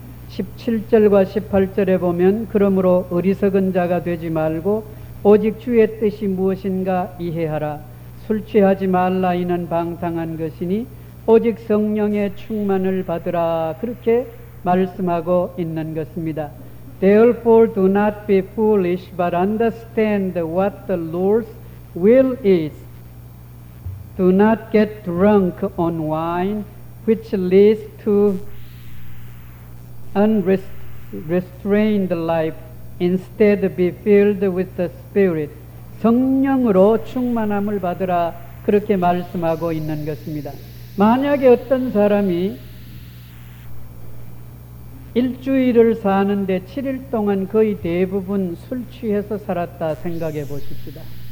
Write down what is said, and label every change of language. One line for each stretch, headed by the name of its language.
Korean: 17절과 18절에 보면 그러므로 어리석은 자가 되지 말고 오직 주의 뜻이 무엇인가 이해하라. 술 취하지 말라, 이는 방탕한 것이니 오직 성령의 충만을 받으라 그렇게 말씀하고 있는 것입니다.
English: Therefore do not be foolish but understand what the Lord's will is. Do not get drunk on wine which leads to unrestrained life. Instead be filled with the Spirit.
Korean: 성령으로 충만함을 받으라 그렇게 말씀하고 있는 것입니다. 만약에 어떤 사람이 일주일을 사는데 7일 동안 거의 대부분 술 취해서 살았다 생각해 보십시다.